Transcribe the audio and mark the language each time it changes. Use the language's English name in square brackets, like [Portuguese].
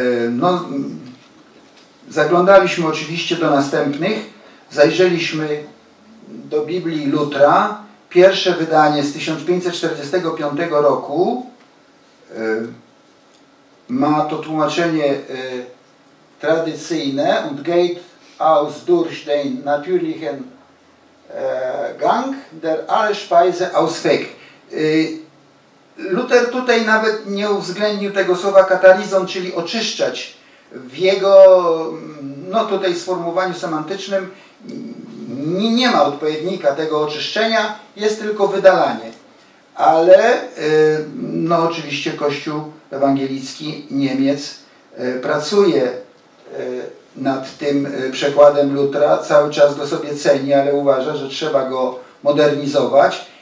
[Polish] No, zaglądaliśmy oczywiście do następnych. Zajrzeliśmy do Biblii Lutra. Pierwsze wydanie z 1545 roku ma to tłumaczenie tradycyjne. [German] Und geht aus durch den natürlichen Gang der alle Speise ausweg. [Polish] Luther tutaj nawet nie uwzględnił tego słowa katalizon, czyli oczyszczać. W jego tutaj sformułowaniu semantycznym nie ma odpowiednika tego oczyszczenia, jest tylko wydalanie. Ale oczywiście Kościół Ewangelicki Niemiec pracuje nad tym przekładem Lutra, cały czas go sobie ceni, ale uważa, że trzeba go modernizować.